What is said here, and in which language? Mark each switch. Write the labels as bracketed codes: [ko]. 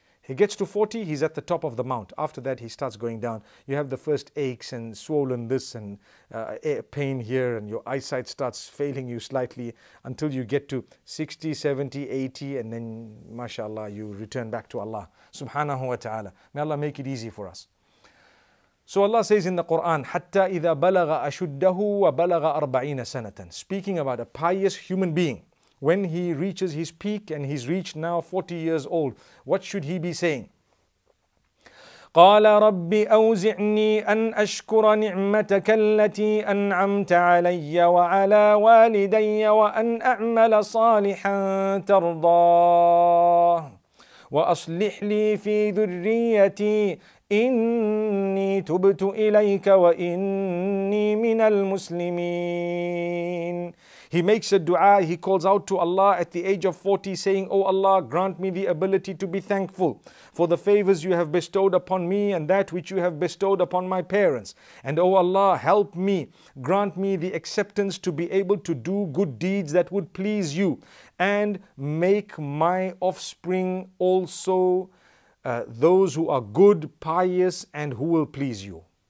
[en] He gets to 40, he's at the top of the mount. After that, he starts going down. You have the first aches and swollen this and pain here, and your eyesight starts failing you slightly until you get to 60, 70, 80, and then, mashallah, you return back to Allah subhanahu wa ta'ala. May Allah make it easy for us. So Allah says in the Quran, [ar] حَتَّى إِذَا بَلَغَ أَشُدَّهُ وَبَلَغَ أَرْبَعِينَ سَنَةً. [en] Speaking about a pious human being, when he reaches his peak and he's reached now 40 years old, what should he be saying? [ar] قال رب أوزعني أن أشكر نعمتك التي أنعمت علي وعلى والدي وأن أعمل صالحا ترضاه وأصلح لي في ذريتي إني تبت إليك وإني من المسلمين. [en] He makes a dua, he calls out to Allah at the age of 40 saying, O Allah, grant me the ability to be thankful for the favors you have bestowed upon me and that which you have bestowed upon my parents. And O Allah, help me, grant me the acceptance to be able to do good deeds that would please you and make my offspring also those who are good, pious and who will please you.